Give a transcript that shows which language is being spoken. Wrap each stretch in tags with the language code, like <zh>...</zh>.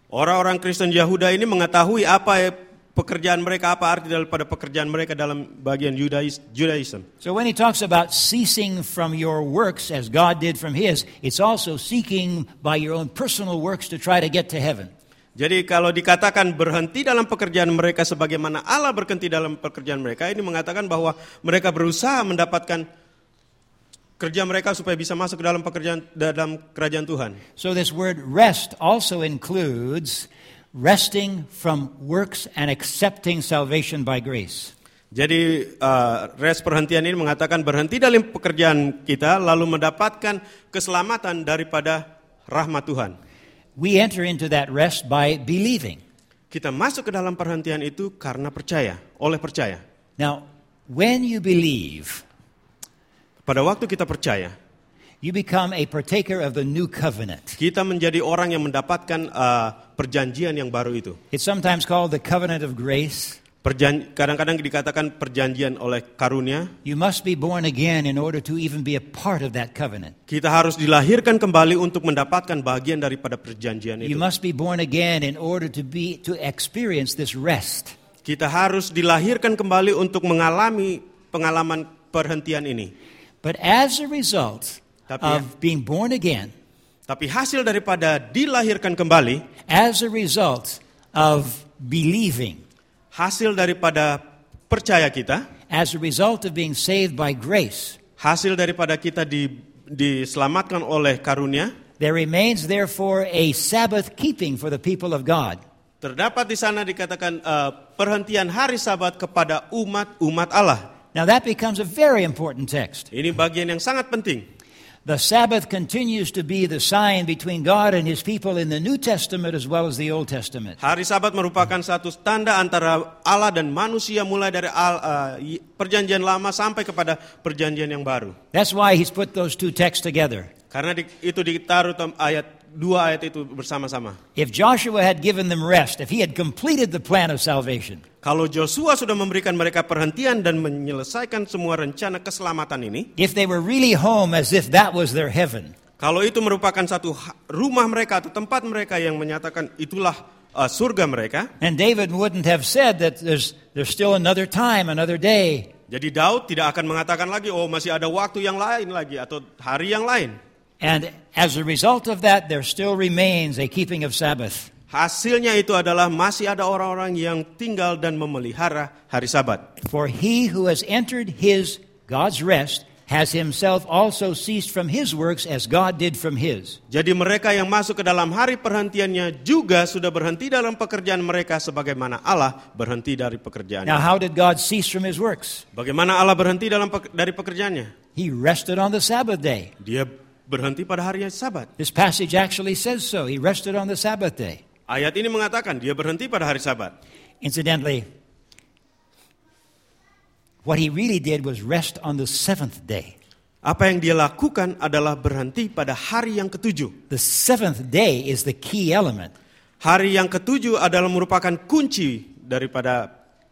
<id>Orang-orang Kristen Yahuda ini mengetahui apa pekerjaan mereka, apa arti daripada pekerjaan mereka dalam bagian Judaism.</id> <en>So when he talks about ceasing from your works as God did from his, it's also seeking by your own personal works to try to get to heaven.</en> <id>Jadi kalau dikatakan berhenti dalam pekerjaan mereka sebagaimana Allah berhenti dalam pekerjaan mereka, ini mengatakan bahwa mereka berusaha mendapatkan kerja mereka supaya bisa masuk ke dalam pekerjaan dalam kerajaan Tuhan.</id> <en>So this word rest also includes resting from works and accepting salvation by grace.</en> <id>Jadi rest perhentian ini mengatakan berhenti dalam pekerjaan kita lalu mendapatkan keselamatan daripada rahmat Tuhan.</id> <en>We enter into that rest by believing.</en> <id>Kita masuk ke dalam perhentian itu karena percaya, oleh percaya.</id> <en>Now, when you believe,</en> <id>pada waktu kita percaya,</id> <en>you become a partaker of the new covenant.</en> <id>Kita menjadi orang yang mendapatkan perjanjian yang baru itu.</id> <en>It's sometimes called the covenant of grace.</en> <id>Kadang-kadang dikatakan perjanjian oleh karunia.</id> <en>You must be born again in order to even be a part of that covenant.</en> <id>Kita harus dilahirkan kembali untuk mendapatkan bagian daripada perjanjian itu.</id> <en>You must be born again in order to experience this rest.</en> <id>Kita harus dilahirkan kembali untuk mengalami pengalaman perhentian ini.</id> <en>But as a result of being born again,</en> <id>tapi hasil daripada dilahirkan kembali,</id> <en>as a result of believing,</en> <id>hasil daripada percaya kita,</id> <en>as a result of being saved by grace,</en> <id>hasil daripada kita diselamatkan oleh karunia,</id> <en>there remains therefore a Sabbath keeping for the people of God.</en> <id>Terdapat di sana dikatakan perhentian hari Sabat kepada umat-umat Allah.</id> <en>Now that becomes a very important text.</en> <id>Ini bagian yang sangat penting.</id> <en>The Sabbath continues to be the sign between God and his people in the New Testament as well as the Old Testament.</en> <id>Hari Sabat merupakan satu tanda antara Allah dan manusia mulai dari perjanjian lama sampai kepada perjanjian yang baru.</id> <en>That's why he's put those two texts together.</en> <id>Karena itu ditaruh ayat dua ayat itu bersama-sama.</id> <en>If Joshua had given them rest, if he had completed the plan of salvation.</en> <id>Kalau Joshua sudah memberikan mereka perhentian dan menyelesaikan semua rencana keselamatan ini.</id> <en>If they were really home as if that was their heaven.</en> <id>Kalau itu merupakan satu rumah mereka atau tempat mereka yang menyatakan itulah surga mereka.</id> <en>And David wouldn't have said that there's still another time, another day.</en> <id>Jadi Daud tidak akan mengatakan lagi, oh masih ada waktu yang lain lagi atau hari yang lain.</id> <en>And as a result of that, there still remains a keeping of Sabbath.</en> <id>Hasilnya itu adalah masih ada orang-orang yang tinggal dan memelihara hari Sabat.</id> <en>For he who has entered his God's rest has himself also ceased from his works as God did from his.</en> <id>Jadi mereka yang masuk ke dalam hari perhentiannya juga sudah berhenti dalam pekerjaan mereka sebagaimana Allah berhenti dari pekerjaannya.</id> <en>Now how did God cease from his works?</en> <id>Bagaimana Allah berhenti dari pekerjaannya?</id> <en>He rested on the Sabbath day.</en> <id>Dia berhenti pada hari Sabat.</id> <en>This passage actually says so. He rested on the Sabbath day.</en> <id>Ayat ini mengatakan dia berhenti pada hari Sabat.</id> <en>Incidentally, what he really did was rest on the seventh day.</en> <id>Apa yang dia lakukan adalah berhenti pada hari yang ketujuh.</id> <en>The seventh day is the key element.</en> <id>Hari yang ketujuh adalah merupakan kunci daripada.</id>